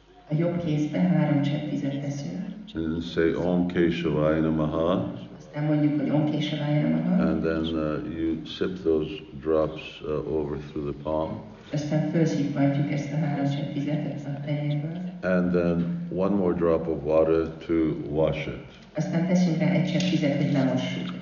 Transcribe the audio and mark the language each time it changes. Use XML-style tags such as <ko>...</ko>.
<hu>A jobb kézbe 3 csepp vizet teszünk.</hu> <en>And then say Om Keshavaya Namaha.</en> <hu>Aztán mondjuk, hogy Om Keshavaya Namaha.</hu> <en>And then you sip those drops over through the palm.</en> <hu>Aztán felszívjuk ezt a 3 csepp vizet a tenyérből.</hu> <en>And then 1 more drop of water to wash it.</en> <hu>Aztán teszünk rá 1 csepp vizet, hogy lemossuk.</hu>